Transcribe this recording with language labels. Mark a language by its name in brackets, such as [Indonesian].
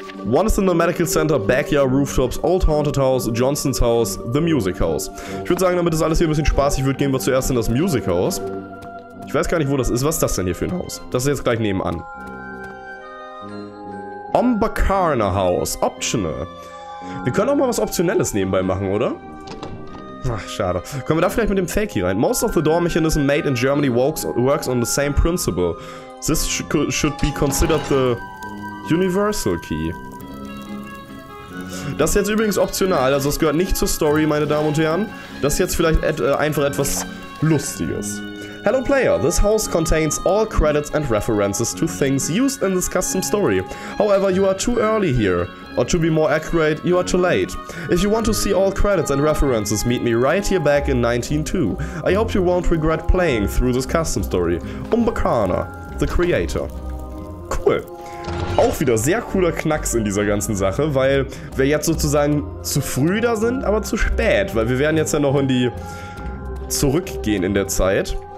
[English] Once in the medical center, backyard rooftops, old haunted house, Johnson's house, the music house. [German] Ich würde sagen, damit das alles hier ein bisschen spaßig wird, gehen wir zuerst in das Music House. Ich weiß gar nicht, wo das ist. Was ist das denn hier für ein Haus? Das ist jetzt gleich nebenan. Ombakarna House, optional. Wir können auch mal was Optionelles nebenbei machen, oder? Ach, schade. Können wir da vielleicht mit dem Fake hier rein? [English] Most of the door mechanism made in Germany works on the same principle. This should be considered the Universal Key. [German] Das ist jetzt übrigens optional, also es gehört nicht zur Story, meine Damen und Herren. Das ist jetzt vielleicht einfach etwas Lustiges. [English] Hello player, this house contains all credits and references to things used in this custom story. However, you are too early here. Or to be more accurate, you are too late. If you want to see all credits and references, meet me right here back in 192. I hope you won't regret playing through this custom story. Ombakarna, the creator. Cool. [German] Auch wieder sehr cooler Knacks in dieser ganzen Sache, weil wir jetzt sozusagen zu früh da sind, aber zu spät, weil wir werden jetzt ja noch in die zurückgehen in der Zeit.